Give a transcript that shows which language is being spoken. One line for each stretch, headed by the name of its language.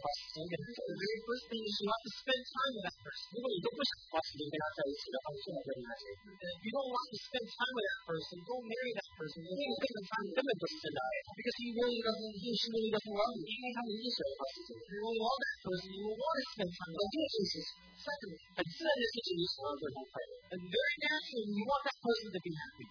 English: The very first thing is you have to spend time with that person.
Chinese: 如果你都不想花时间跟他在一起的话，你怎么跟他在一起？
English: You don't want to spend time with that person. Don't marry that person.
Chinese: 因为这个他根本不是真爱。
English: Because he really doesn't love you.
Chinese: 因为他们一直想花时间。
English: You really love that person. You want to spend time with that person. Secondly, and very naturally, you want that person to be happy.